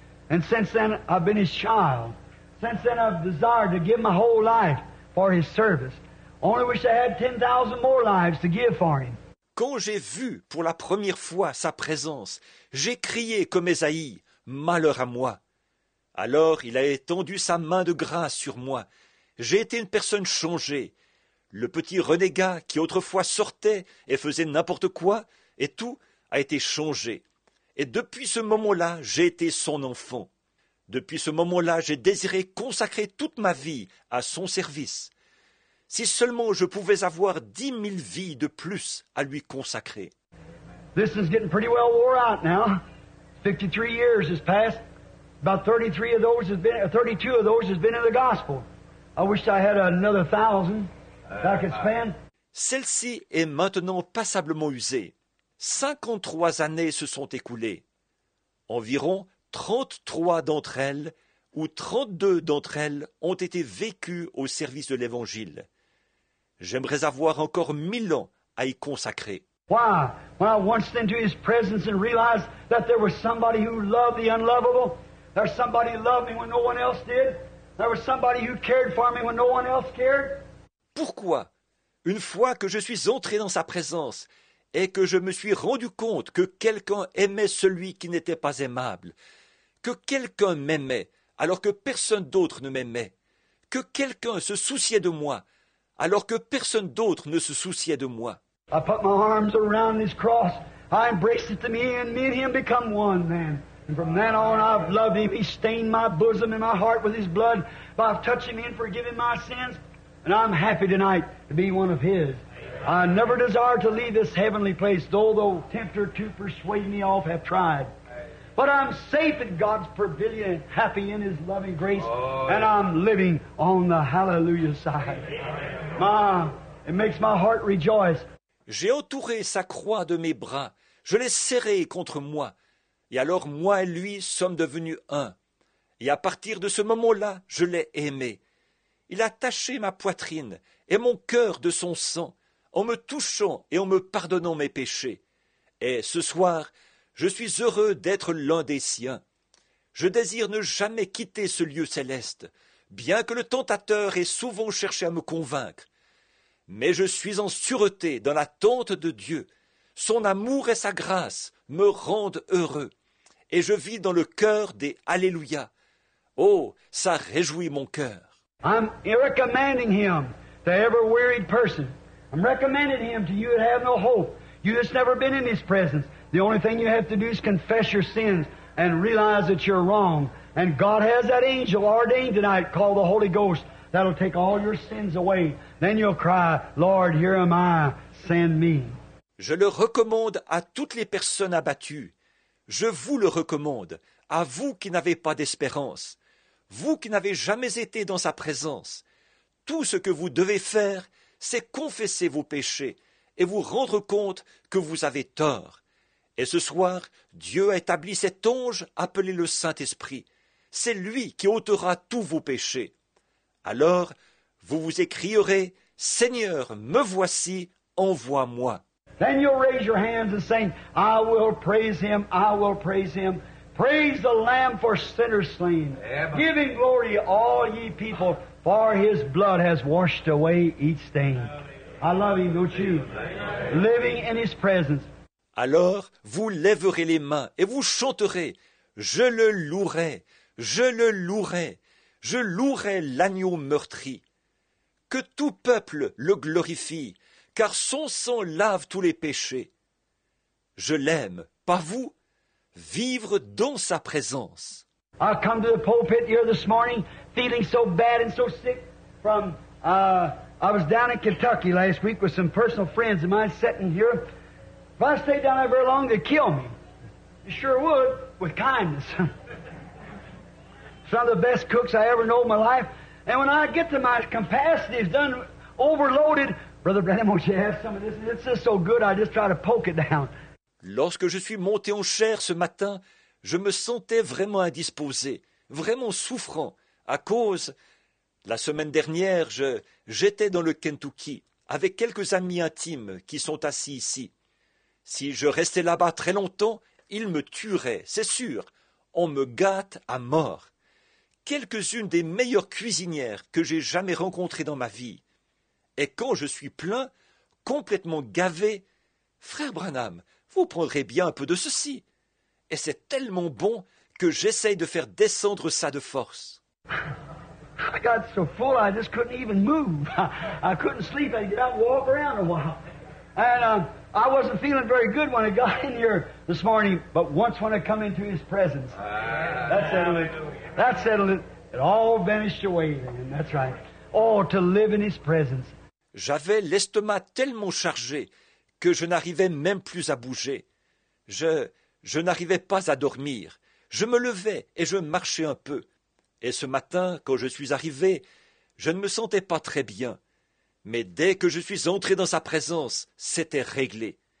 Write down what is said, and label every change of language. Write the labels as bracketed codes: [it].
[en] And since then, I've been his child. Since then, I've desired to give my whole life for his service. Only wish I had 10,000 more lives to give for him. [fr] Quand j'ai vu pour la première fois sa présence, j'ai crié comme Ésaïe, « Malheur à moi !» Alors il a étendu sa main de grâce sur moi. J'ai été une personne changée. Le petit renégat qui autrefois sortait et faisait n'importe quoi et tout a été changé. Et depuis ce moment-là, j'ai été son enfant. Depuis ce moment-là, j'ai désiré consacrer toute ma vie à son service. Si seulement je pouvais avoir 10 000 vies de plus à lui consacrer. [en] This is getting pretty well wore out now. 53 years has passed. About 33 of those has been, 32 of those has been in the gospel. I wish I had another 1,000 that I could spend. [fr] Celle-ci est maintenant passablement usée. 53 années se sont écoulées. Environ 33 d'entre elles ou 32 d'entre elles ont été vécues au service de l'Évangile. J'aimerais avoir encore 1,000 ans à y consacrer. [en] Why? When I once went into his presence and realized that there was somebody who loved the unlovable, there was somebody who loved me when no one else did, there was somebody who cared for me when no one else cared. [fr] Pourquoi, une fois que je suis entré dans sa présence et que je me suis rendu compte que quelqu'un aimait celui qui n'était pas aimable, que quelqu'un m'aimait alors que personne d'autre ne m'aimait, que quelqu'un se souciait de moi alors que personne d'autre ne se souciait de moi. [en] I put my arms around his cross. I embraced it to me, and me and him become one man. And from then on, I've loved him. He stained my bosom and my heart with his blood by touching me and forgiving my sins. And I'm happy tonight to be one of his. I never desire to leave this heavenly place, though the tempter to persuade me off have tried. But I'm safe in God's pavilion, happy in his loving grace, and I'm living on the hallelujah side. My, it makes my heart rejoice. [fr] J'ai entouré sa croix de mes bras, je l'ai serrée contre moi, et alors moi et lui sommes devenus un. Et à partir de ce moment-là, je l'ai aimé. Il a taché ma poitrine et mon cœur de son sang, en me touchant et en me pardonnant mes péchés. Et ce soir, je suis heureux d'être l'un des siens. Je désire ne jamais quitter ce lieu céleste, bien que le tentateur ait souvent cherché à me convaincre. Mais je suis en sûreté dans la tente de Dieu. Son amour et sa grâce me rendent heureux. Et je vis dans le cœur des Alléluia. Oh, ça réjouit mon cœur. [en] I'm recommending him to every wearied person. I'm recommending him to you that have no hope. You just never been in his presence. The only thing you have to do is confess your sins and realize that you're wrong. And God has that angel ordained tonight called the Holy Ghost. That'll take all your sins away. Then you'll cry, Lord, here am I, send me. [fr] Je le recommande à toutes les personnes abattues. Je vous le recommande, à vous qui n'avez pas d'espérance, vous qui n'avez jamais été dans sa présence. Tout ce que vous devez faire, c'est confesser vos péchés et vous rendre compte que vous avez tort. Et ce soir, Dieu a établi cet ange appelé le Saint-Esprit. C'est lui qui ôtera tous vos péchés. Alors, vous vous écrierez, « Seigneur, me voici, envoie-moi. » [en] Then you'll raise your hands and say, « I will praise him, I will praise him. Praise the Lamb for sinners slain. Give him glory, all ye people, for his blood has washed away each stain. » I love him, don't you? Living in his presence. [fr] Alors, vous lèverez les mains et vous chanterez, « Je le louerai, je le louerai. » Je louerai l'agneau meurtri. Que tout peuple le glorifie, car son sang lave tous les péchés. Je l'aime, pas vous, vivre dans sa présence. [en] I come to the pulpit here this morning feeling so bad and so sick from I was down in Kentucky last week with some personal friends of mine sitting here. If I stayed down there very long, they'd kill me. They sure would, with kindness. Some of the best cooks I ever know in my life. And when I get to my capacity, it's done, overloaded. Brother Branham, won't you have some of this? It's just so good, I just try to poke it down. [fr] Lorsque je suis monté en chair ce matin, je me sentais vraiment indisposé, vraiment souffrant, à cause, la semaine dernière, j'étais dans le Kentucky avec quelques amis intimes qui sont assis ici. Si je restais là-bas très longtemps, ils me tueraient, c'est sûr. On me gâte à mort. Quelques-unes des meilleures cuisinières que j'ai jamais rencontrées dans ma vie. Et quand je suis plein, complètement gavé, Frère Branham, vous prendrez bien un peu de ceci. Et c'est tellement bon que j'essaye de faire descendre ça de force. [en] I got so full I just couldn't even move. I couldn't sleep. I'd get out and walk around a while. And I wasn't feeling very good when I got in here this morning, but once when I come into his presence, that settled it. That settled it. It all vanished away then. That's right. Oh, to live in his presence. [fr] J'avais l'estomac tellement chargé que je n'arrivais même plus à bouger. Je n'arrivais pas à dormir. Je me levais et je marchais un peu. Et ce matin, quand je suis arrivé, je ne me sentais pas très bien. Mais dès que je suis entré dans sa présence, c'était réglé.